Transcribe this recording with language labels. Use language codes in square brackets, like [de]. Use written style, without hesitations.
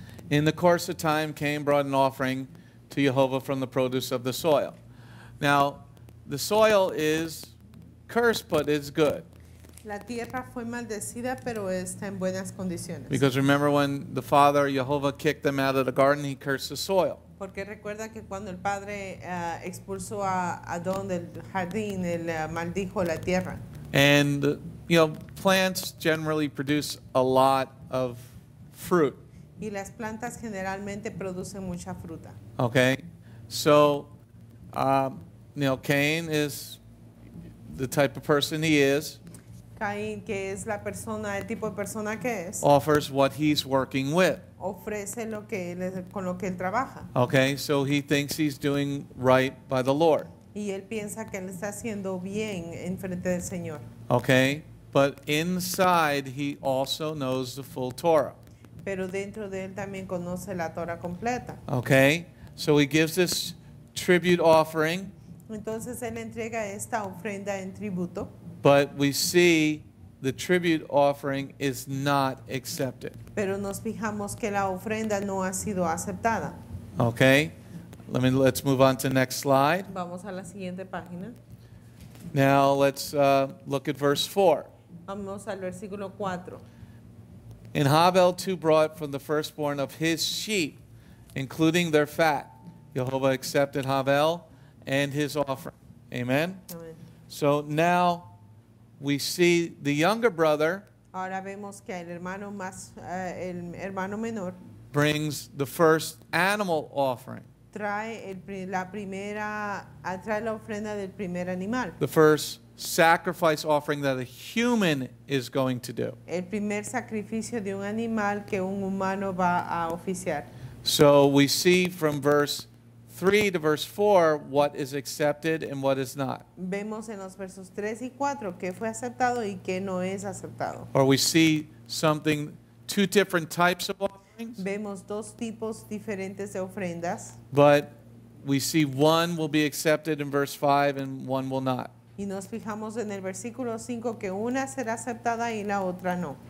[en] In the course of time, Cain brought an offering to Yehovah from the produce of the soil. Now, the soil is cursed, but it's good. [es] La tierra fue maldecida, pero está en buenas condiciones. [en] Because remember when the father, Yehovah, kicked them out of the garden, he cursed the soil. [es] Porque recuerda que cuando el padre expulsó a Adón del jardín, él maldijo la tierra. [en] And, you know, plants generally produce a lot of fruit. [es] Y las plantas generalmente producen mucha fruta. [en] Okay. So, Cain is the type of person he is. [es] Cain, que es la persona, el tipo de persona que es. [en] Offers what he's working with. [es] Ofrece lo que él, con lo que él trabaja. [en] Okay, so he thinks he's doing right by the Lord. [es] Y él piensa que él está haciendo bien en frente del Señor. [en] Okay, but inside he also knows the full Torah. [es] Pero dentro de él también conoce la Torah completa. [en] Okay, so he gives this tribute offering. [es] Entonces él entrega esta ofrenda en tributo. [en] But we see the tribute offering is not accepted. [es] Pero nos fijamos que la ofrenda no ha sido aceptada. [en] Okay. Let's move on to the next slide. [es] Vamos a la siguiente página. [en] Now let's look at verse 4. [es] Vamos al versículo 4. [en] And Havel too brought from the firstborn of his sheep, including their fat. Yehovah accepted Havel and his offering. Amen. Amen. So now we see the younger brother. [es] Ahora vemos que el hermano más, el hermano menor [en] brings the first animal offering. [es] Trae trae la ofrenda del primer animal. [en] The first sacrifice offering that a human is going to do. [es] El primer sacrificio de un animal que un humano va a oficiar. [en] So we see from verse 3 to verse 4, what is accepted and what is not. [es] Vemos en los versos 3 y 4 qué fue aceptado y qué no es aceptado. [en] Or we see something, two different types of offerings. [es] Vemos dos tipos diferentes de ofrendas. [en] But we see one will be accepted in verse 5 and one will not. [es] Y nos fijamos en el versículo 5 que una será aceptada y la otra no.